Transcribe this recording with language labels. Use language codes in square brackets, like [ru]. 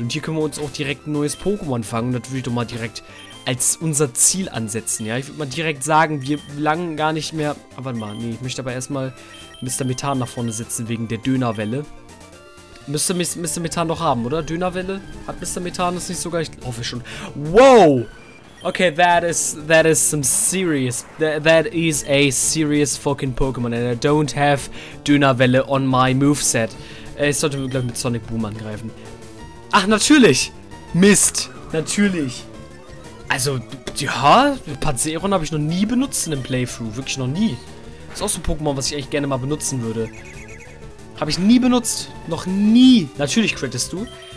[de] Und hier können wir uns auch direkt ein neues Pokémon fangen und natürlich doch mal direkt als unser Ziel ansetzen, ja. Ich würde mal direkt sagen, wir langen gar nicht mehr. Aber warte mal, nee, ich möchte aber erstmal Mr. Methan nach vorne setzen wegen der Dönerwelle. Müsste Mr. Methan doch haben, oder? Dönerwelle? Hat Mr. Methan das nicht sogar? Ich hoffe schon. Wow! [en] Okay, that is some serious. That is a serious fucking Pokémon. And I don't have Dönerwelle on my moveset. [de] Ich sollte, glaube ich, mit Sonic Boom angreifen. Ach, natürlich! Mist! Natürlich! Also, ja, Panzeron habe ich noch nie benutzt in einem Playthrough. Wirklich noch nie. Ist auch so ein Pokémon, was ich eigentlich gerne mal benutzen würde. Habe ich nie benutzt. Noch nie. Natürlich crittest du.